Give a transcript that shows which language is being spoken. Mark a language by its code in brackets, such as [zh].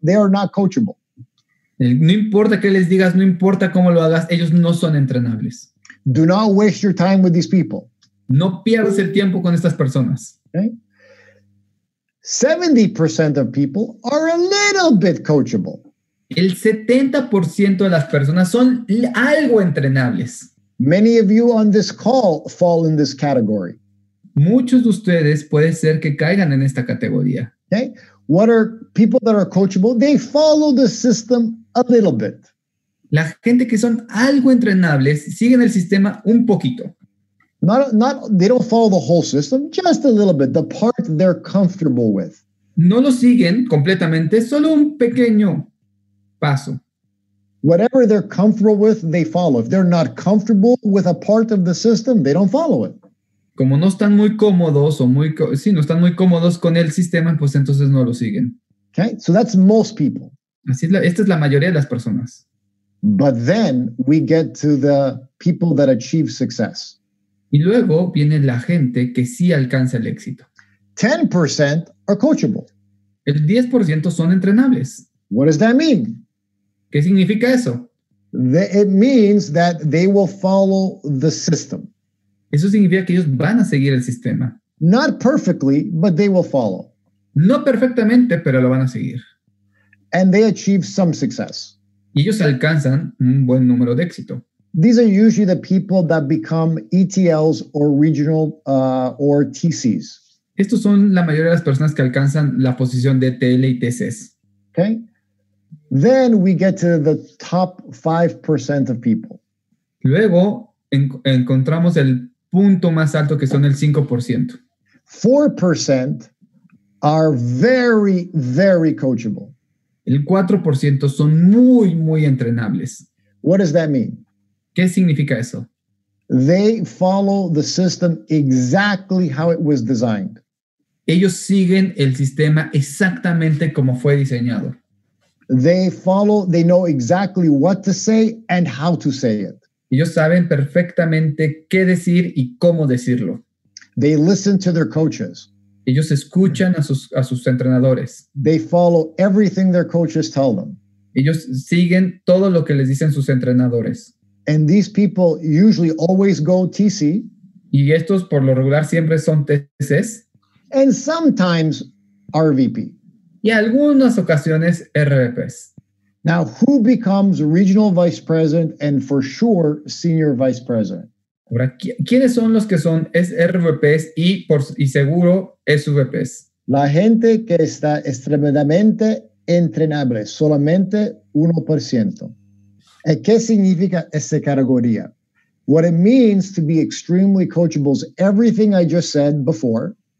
[en] They are not coachable. [es] No importa qué les digas, no importa cómo lo hagas, ellos no son entrenables. [en] Do not waste your time with these people. [es] No pierdas el tiempo con estas personas. [en] Okay. 70% of people are a little bit coachable. [es] El 70% de las personas son algo entrenables. [en] Many of you on this call fall in this category. [es] Muchos de ustedes puede ser que caigan en esta categoría. [en] Okay. What are people that are coachable? They follow the system a little bit. [es] La gente que son algo entrenables siguen el sistema un poquito. [en] Not they don't follow the whole system, just a little bit, the part they're comfortable with. [es] No lo siguen completamente, solo un pequeño paso. [en] Whatever they're comfortable with, they follow. If they're not comfortable with a part of the system, they don't follow it. [es] Como no están muy cómodos o muy sí, no están muy cómodos con el sistema, pues entonces no lo siguen. [en] Okay, so that's most people. [es] Así es, esta es la mayoría de las personas. [en] But then we get to the people that achieve success. [es] Y luego viene la gente que sí alcanza el éxito. [en] 10% are coachable. [es] El 10% son entrenables. [en] What does that mean? [es] ¿Qué significa eso? [en] It means that they will follow the system. [es] Eso significa que ellos van a seguir el sistema. [en] Not perfectly, but they will follow. [es] No perfectamente, pero lo van a seguir. [en] And they achieve some success. [es] Y ellos alcanzan un buen número de éxito. [en] These are usually the people that become ETLs or regional or TCs. [es] Estos son la mayoría de las personas que alcanzan la posición de ETL y TCs. [en] Okay. Then we get to the top 5% of people. [es] Luego encontramos el punto más alto que son el 5%. [en] 4% are very, very coachable. [es] El 4% son muy, muy entrenables. [en] What does that mean? [es] ¿Qué significa eso? [en] They follow the system exactly how it was designed. [es] Ellos siguen el sistema exactamente como fue diseñado. [en] They know exactly what to say and how to say it. [es] Ellos saben perfectamente qué decir y cómo decirlo. [en] They listen to their coaches. [es] Ellos escuchan a sus entrenadores. [en] They follow everything their coaches tell them. [es] Ellos siguen todo lo que les dicen sus entrenadores. [en] And these people usually always go TC. [es] Y estos por lo regular siempre son TCs. [en] And sometimes RVP. [es] Y algunas ocasiones RVPs. [en] Now, who becomes regional vice president and for sure senior vice president? [es] Ahora, ¿quiénes son los que son RVPs y seguro SVPs? La gente que está extremadamente entrenable, solamente 1%. ¿Y qué significa esa categoría? [en] What it means to be extremely coachable is everything I just said before.